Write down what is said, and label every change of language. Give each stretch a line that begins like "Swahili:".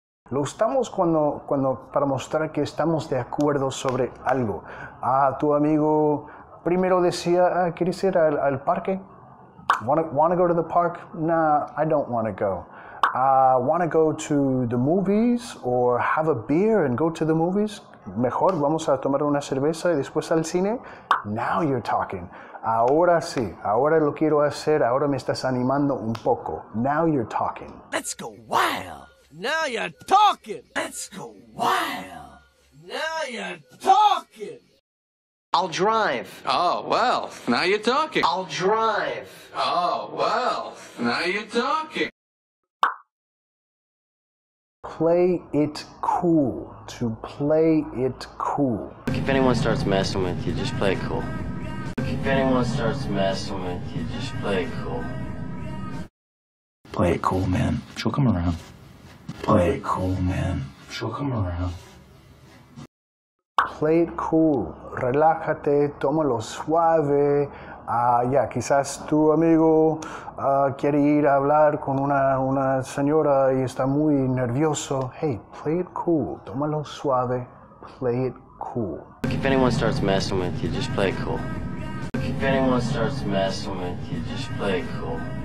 Spanish: Lo usamos cuando para mostrar que estamos de acuerdo sobre algo. Ah, tu amigo primero decía, ¿quieres ir al parque?
English: Wanna go to the park? Nah, I don't wanna go. Wanna go to the movies or have a beer and go to the movies?
Spanish: Mejor, vamos a tomar una cerveza y después al cine.
English: Now you're talking.
Spanish: Ahora sí, ahora lo quiero hacer, ahora me estás animando un poco.
English: Now you're talking. Let's go wild. Now you're talking. Let's go wild. Now you're talking. I'll drive. Oh, well, now you're talking. I'll drive. Oh, well, now you're talking. Play it cool. To play it cool. Look, if anyone starts messing with you, just play it cool. Look, if anyone starts messing with you, just play it cool. Play it cool, man. She'll come around. Play it cool, man. She'll come around. Play it cool.
Spanish: Relájate. Tómalo suave. Ya, quizás tu amigo quiere ir a hablar con una señora y está muy nervioso.
English: Hey, play it cool.
Spanish: Tómalo suave.
English: Play it cool. Look, if anyone starts messing with you, just play it cool. Look, if anyone starts messing with you, just play it cool.